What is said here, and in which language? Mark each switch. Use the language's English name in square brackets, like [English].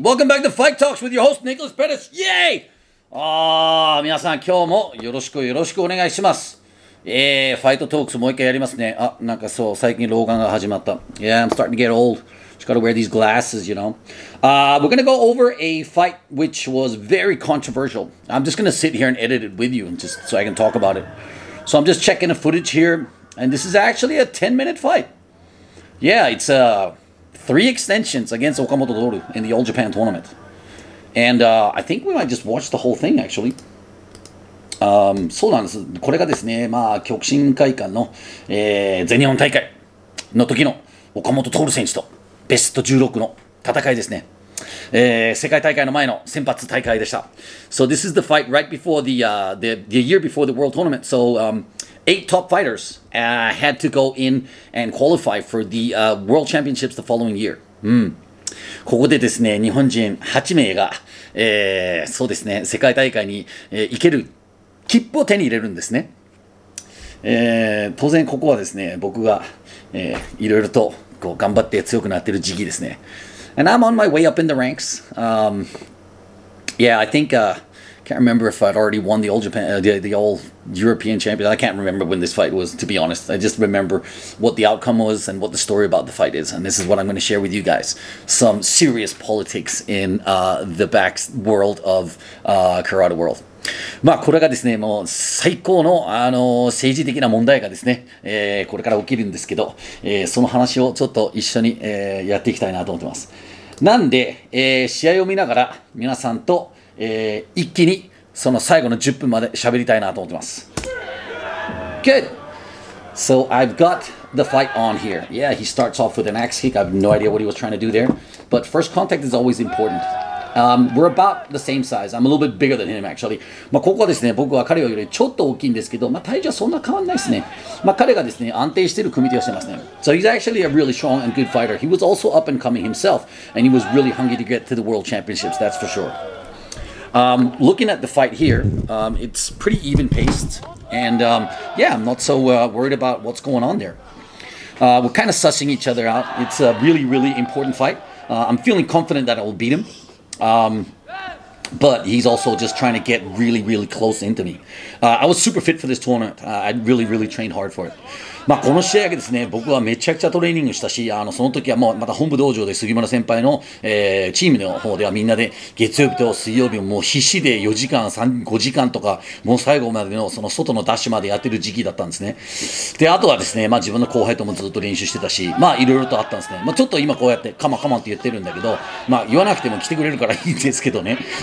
[English] Welcome back to Fight Talks with your host, Nicholas Pettis! Yay! [Japanese] みなさん、今日もよろしくよろしくお願いします。ファイトトークスもう一回やりますね。あ、なんかそう、最近老眼が始まった。 [English] Yeah, I'm starting to get old. Just gotta wear these glasses, you know. We're gonna go over a fight which was very controversial. I'm just gonna sit here and edit it with you and just so I can talk about it. So I'm just checking the footage here, and this is actually a 10-minute fight. Yeah, it's a... Three extensions against Okamoto Doru in the All Japan tournament. And I think we might just watch the whole thing, actually. [Japanese] そうなんです。これがですね、まあ、極真会館の、全日本大会の時の岡本徹選手とベスト16の戦いですね。世界大会の前の先発大会でした。 [English] So this is the fight right before the year before the World Tournament. So, eight top fighters had to go in and qualify for the World Championships the following year. [Japanese] ここでですね、日本人8名が、そうですね、世界大会に、行ける切符を手に入れるんですね。当然ここはですね、僕が、いろいろとこう頑張って強くなっている時期ですね。 [English] And I'm on my way up in the ranks. Yeah, I think... can't remember if I'd already won the All Japan, the All European Champion. I can't remember when this fight was, to be honest. I just remember what the outcome was and what the story about the fight is. And this is what I'm going to share with you guys. Some serious politics in the back world of Karate World. [Japanese] まあこれがですね、もう最高の、政治的な問題がですね、これから起きるんですけど、その話をちょっと一緒に、やっていきたいなと思ってます。なんで、試合を見ながら皆さんと一気にその最後の10分まで喋りたいなと思ってます。 [English] Good! So I've got the fight on here. Yeah, he starts off with an axe kick. I have no idea what he was trying to do there. But first contact is always important. We're about the same size. I'm a little bit bigger than him, actually. [Japanese] まあここはですね、僕は彼よりちょっと大きいんですけど、まあ体重はそんな変わんないですね。まあ彼がですね、安定している組み手をしてますね。 [English] So he's actually a really strong and good fighter. He was also up and coming himself. And he was really hungry to get to the World Championships, that's for sure. Looking at the fight here, it's pretty even paced. And yeah, I'm not so worried about what's going on there. We're kind of sussing each other out. It's a really, really important fight. I'm feeling confident that I will beat him. But he's also just trying to get really, really close into me. I was super fit for this tournament. I really, really trained hard for it. [Japanese] まあ、この試合だけですね、僕はめちゃくちゃトレーニングしたし、その時はもうまた本部道場で杉村先輩の、チームの方ではみんなで月曜日と水曜日ももう必死で4時間、3、5時間とか、もう最後までのその外のダッシュまでやってる時期だったんですね。で、あとはですね、まあ自分の後輩ともずっと練習してたし、まあいろいろとあったんですね。まあちょっと今こうやってカマカマって言ってるんだけど、まあ言わなくても来てくれるからいいんですけどね。